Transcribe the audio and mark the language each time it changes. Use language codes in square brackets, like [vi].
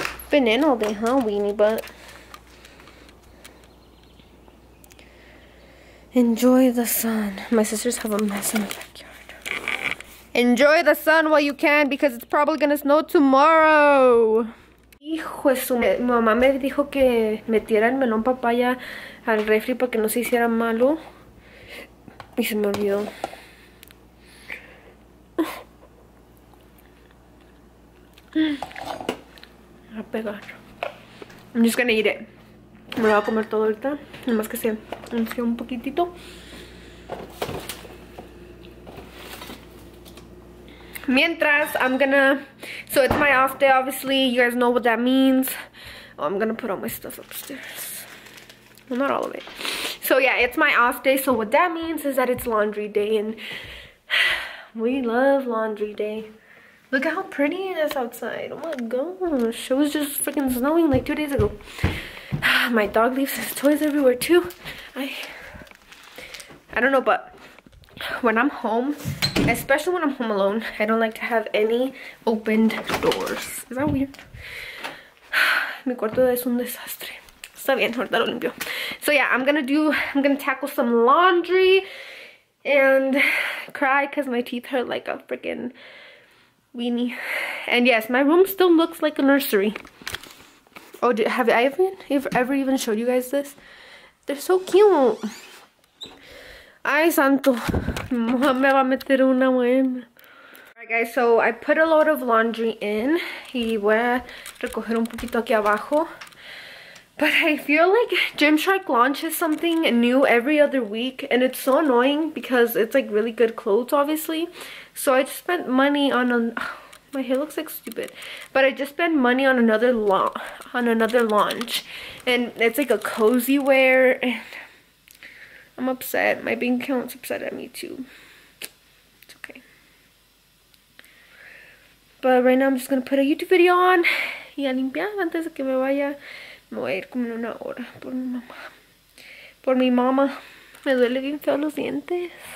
[en] Been in all day, huh, weenie butt? Enjoy the sun. My sisters have a mess in the backyard. Enjoy the sun while you can because it's probably gonna snow tomorrow. [es] Hijo de su madre. Mi mamá me dijo que metiera el melón papaya al refri para que no se hiciera malo. Y se me olvidó. A pegar. [en] I'm just gonna eat it. [es] Me lo voy a comer todo ahorita. Nada más que se enfrió un poquitito. Mientras, [en] I'm gonna... So it's my off day, obviously. You guys know what that means. Oh, I'm gonna put all my stuff upstairs. Well, not all of it. So yeah, it's my off day. So what that means is that it's laundry day. And we love laundry day. Look at how pretty it is outside. Oh my gosh. It was just freaking snowing like 2 days ago. My dog leaves his toys everywhere too. I don't know, but when I'm home, especially when I'm home alone, I don't like to have any opened doors. Is that weird? [es] Mi cuarto es un desastre. Está bien, ahorita lo limpio. [en] So yeah, I'm gonna tackle some laundry and cry because my teeth hurt like a freaking weenie. And yes, my room still looks like a nursery. Oh, have I ever even showed you guys this? They're so cute. [es] Ay, santo. Me va a meter una buena. [en] Alright, guys. So, I put a lot of laundry in. [es] Y voy a recoger un poquito aquí abajo. [en] But I feel like Gymshark launches something new every other week. And it's so annoying because it's, like, really good clothes, obviously. So, I just spent money on a... My hair looks like stupid, but I just spent money on another launch, and it's like a cozy wear, and I'm upset. My bank account's upset at me too. It's okay. But right now I'm just gonna put a YouTube video on. [es] Y a limpiar antes de que me vaya. Me voy a ir como en una hora por mi mamá. Por mi mamá. Me duele bien feo los dientes.